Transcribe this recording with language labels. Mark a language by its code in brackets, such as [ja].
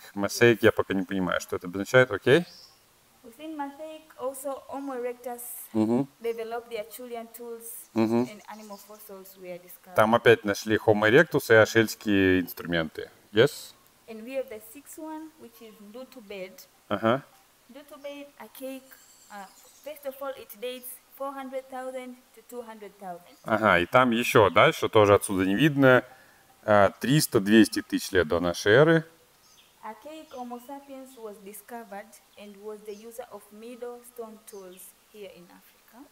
[ru] Mosaic, я пока не понимаю, что это означает, окей? [en] Within Mosaic also Homo erectus developed the Acheulean tools and animal fossils we are discovering. [ru] Там опять нашли Homo erectus и ашельские инструменты. [en] Yes? And we have the sixth one, which is Lutubed. Lutubed, archaic. First of all, it dates 400,000 to 200,000. [ru] Ага, и там еще дальше, тоже отсюда не видно, 300-200 тысяч лет до нашей эры. [en] Archaic Homo sapiens was discovered and was the user of middle stone tools here in Africa.